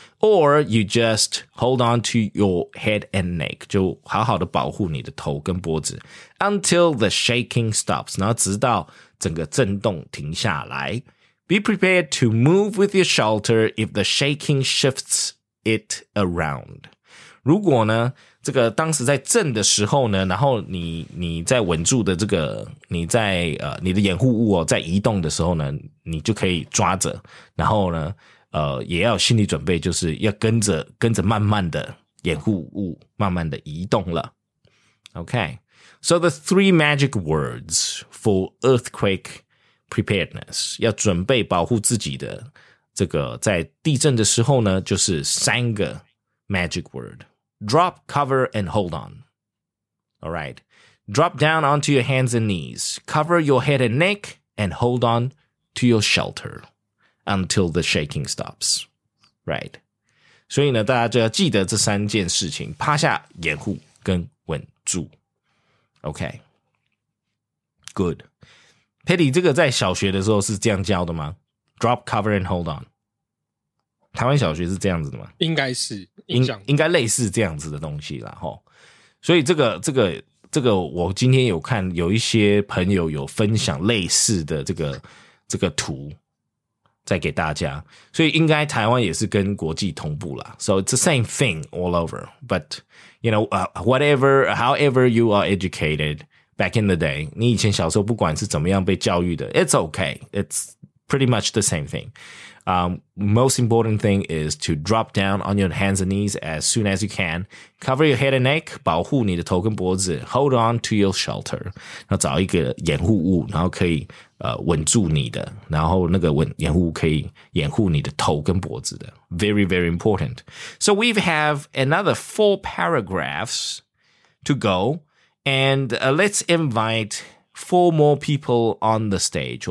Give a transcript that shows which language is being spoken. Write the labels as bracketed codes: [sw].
[en] Or you just hold on to your head and neck, [zh] 就好好的保护你的头跟脖子。 [en] Until the shaking stops, [zh] 然后直到整个震动停下来。 [en] Be prepared to move with your shelter if the shaking shifts it around. [zh] 如果呢，这个当时在震的时候呢，然后你在稳住的这个你在你的掩护物哦，在移动的时候呢，你就可以抓着，然后呢也要有心理准备，就是要跟着慢慢的掩护物慢慢的移动了。 [en] Okay, so the three magic words for earthquake preparedness [zh] 要准备保护自己的这个在地震的时候呢，就是三个 magic word. [en] Drop, cover, and hold on. All right. Drop down onto your hands and knees. Cover your head and neck and hold on to your shelter until the shaking stops. Right. [zh] 所以呢，大家就要记得这三件事情：趴下、掩护跟稳住。 [en] Okay. Good. Teddy, [zh] 这个在小学的时候是这样教的吗 [en] ？Drop, cover, and hold on. [zh] 台湾小学是这样子的吗？应该是，应该类似这样子的东西啦齁。所以这个我今天有看有一些朋友有分享类似的这个图再给大家。所以应该台湾也是跟国际同步啦。 [en] So it's the same thing all over. But, you know, whatever, however you are educated back in the day, [zh] 你以前小时候不管是怎么样被教育的 [en] it's okay. It's pretty much the same thing. Most important thing is to drop down on your hands and knees as soon as you can. Cover your head and neck, [zh] 保护你的头跟脖子 [en] Hold on to your shelter. [zh] 然后找一个掩护物，然后可以稳住你的，然后那个掩护物可以掩护你的头跟脖子的。 [en] Very, very important. So we have another four paragraphs to go, and let's invite four more people on the stage.